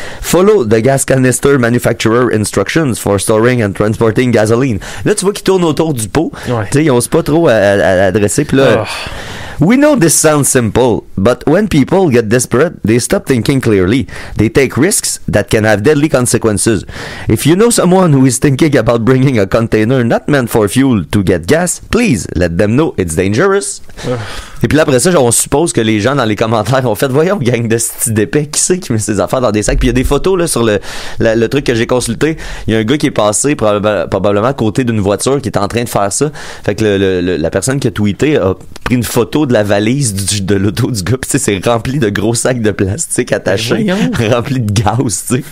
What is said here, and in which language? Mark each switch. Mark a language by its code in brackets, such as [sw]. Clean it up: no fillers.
[en] Follow the gas canister manufacturer instructions for storing and transporting gasoline. [fr] Là, tu vois qu'ils tournent autour du pot. Ouais. Tu sais, ils n'osent pas trop à adresser. Puis là, [en] we know this sounds simple, but when people get desperate, they stop thinking clearly. They take risks that can have deadly consequences. If you know someone who is thinking about bringing a container not meant for fuel to get gas, please let them know it's dangerous. [fr] Et puis là, après ça, genre, on suppose que les gens dans les commentaires ont fait « Voyons, gang de sti d'épais, qui c'est qui met ses affaires dans des sacs? » Puis il y a des photos là sur le truc que j'ai consulté. Il y a un gars qui est passé probablement à côté d'une voiture qui est en train de faire ça. Fait que la personne qui a tweeté a pris une photo de la valise de l'auto du gars. Puis tu sais, c'est rempli de gros sacs de plastique attachés, rempli de gaz, tu sais.